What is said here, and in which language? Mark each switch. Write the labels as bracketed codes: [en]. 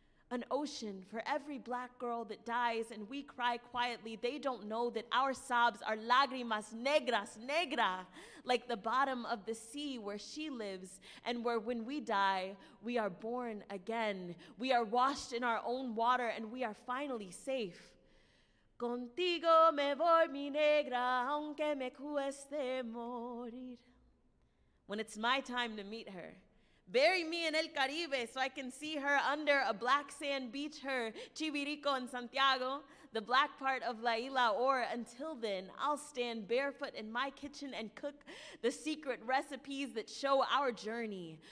[en] An ocean for every Black girl that dies and we cry quietly. They don't know that our sobs are [es] lágrimas negras, negra, [en] like the bottom of the sea where she lives and where when we die, we are born again. We are washed in our own water and we are finally safe. [es] Contigo me voy, mi negra, aunque me cueste morir. [en] When it's my time to meet her, bury me in [es] El Caribe [en] so I can see her under a black sand beach, her Chivirico in Santiago, the black part of [es] La Isla, [en] or until then, I'll stand barefoot in my kitchen and cook the secret recipes that show our journey.